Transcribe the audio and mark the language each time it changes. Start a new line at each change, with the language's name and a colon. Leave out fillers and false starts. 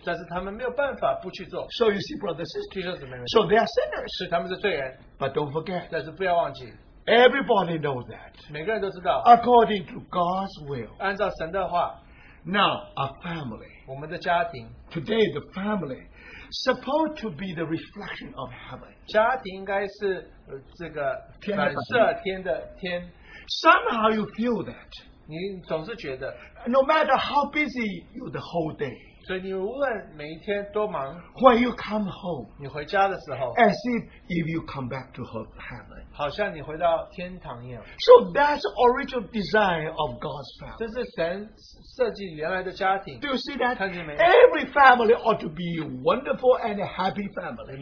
English: So you see, brothers and sisters, so they are sinners.
Chinese: 是他们是罪人,
English: but don't forget,
Chinese: 但是不要忘记,
English: everybody knows that.
Chinese: 每个人都知道,
English: according to God's will,
Chinese: 按照神的话,
English: now a family,
Chinese: 我们的家庭,
English: today the family, supposed to be the reflection of heaven.
Chinese: 家庭应该是, 这个反射天的天,
English: somehow you feel that.
Chinese: 你总是觉得,
English: no matter how busy you the whole day,
Chinese: 所以你无论每一天多忙,
English: when you come home,
Chinese: 你回家的时候,
English: as if you come back to heaven,
Chinese: 好像你回到天堂一样,
English: so that's original design of God's family.
Chinese: 这是神设计原来的家庭,
English: do you see that?
Chinese: 看见没?
English: Every family ought to be a wonderful and a happy family.